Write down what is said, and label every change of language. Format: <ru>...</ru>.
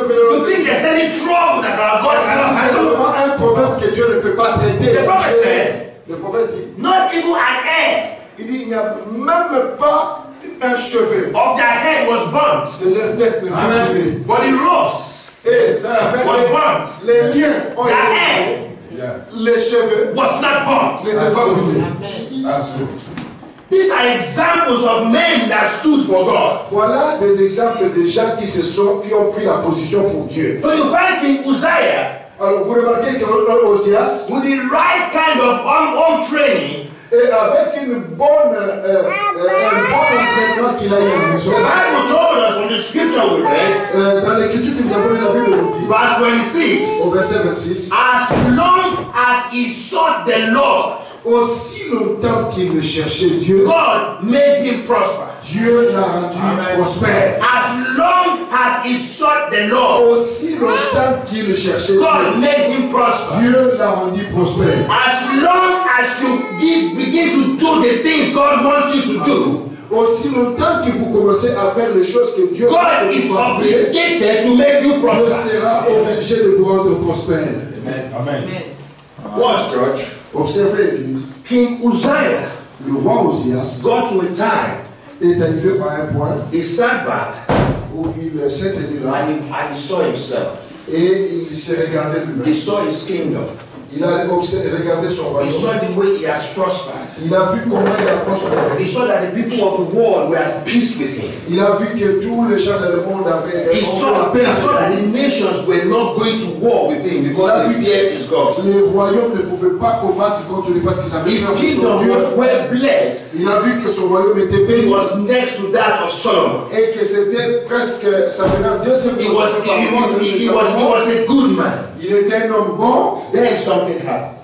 <en>You think there is any trouble that our God cannot handle?</en> <fr>Il y a un problème que Dieu ne peut pas traiter.</fr> <en>The prophet said.</en> <fr>Le prophète dit.</fr> <en>Not even an hair.</en> <fr>Il dit il n'y a même pas. Un cheveu.</fr> <en>Of their head was burnt.</en> <fr>De leur tête ne fut brûlé.</fr> <en>But it rose.</en> <fr>Et</fr> <en>was burnt.</en> <fr>Les liens ont été brûlés. Yeah. Les cheveux.</fr> <en>Was not burnt.</en> <fr>Ne fut pas brûlé.</fr> <en>These are examples of men that stood for God.</en> <fr>Voilà des exemples de gens qui se sont qui ont pris la position pour Dieu.</fr> <en>So you find King Uzziah.</en> <fr>Alors vous remarquez que Ozias.</fr> <en>With the right kind of arm training.</en> <fr>Et avec une bonne, un bon entraînement qu'il a eu à la maison.</fr> <en>The Bible told us from the scripture we read.</en> <fr>Dans l'écriture que nous avons la Bible dit.</fr> <en>Verse 26.</en> <fr>Au verset 26.</fr> <en>As long as he sought the Lord.</en> <fr>Aussi longtemps qu'il cherchait Dieu.</fr> <en>God made him prosper.</en> <fr>Dieu l'a rendu prospère.</fr> <en>As long as he sought the Lord.</en> <fr>Aussi longtemps qu'il cherchait</fr> <en>God God made him prosper.</en> <fr>Dieu l'a rendu prospère.</fr> <en>As long as you begin to do the things God wants you to do.</en> <fr>Aussi longtemps que vous commencez à faire les choses que Dieu</fr> <en>God is obligated to make you prosper.</en> <fr>Dieu sera obligé de vous rendre prospère.</fr> <en>Amen. Amen. Watch, George.</en> <fr>Observez, please.</fr> <en>King Uzziah.</en> <fr>Le roi Uzias.</fr> <en>Got to a time.</en> <fr>Est arrivé à un point.</fr> <en>He sat back.</en> <fr>Où il s'est tenu là.</fr> <en>And he saw himself.</en> <fr>Et il s'est regardé lui-même.</fr> <en>He saw his kingdom.</en> <fr>Il a observé, regardé son royaume.</fr> <en>He saw the way he has prospered.</en> <fr>Il a vu comment il a prospéré.</fr> <en>He saw that the people of the world were at peace with him.</en> <fr>Il a vu que tous les gens du monde avaient un bon rapport.</fr> <en>He saw that the nations were not going to war with him because the fear is God.</en> <fr>Les royaumes ne pouvaient pas combattre contre lui parce qu'ils avaient son Dieu.</fr> <en>His kingdom was well blessed.</en> <fr>Il a vu que son royaume était béni.</fr> <en>It was next to that of Solomon.</en> <fr>Et que c'était presque ça venait deuxième.</fr> <en>He was a good man.</en> <fr>Il était un homme bon.</fr> <en>Then something happened.</en>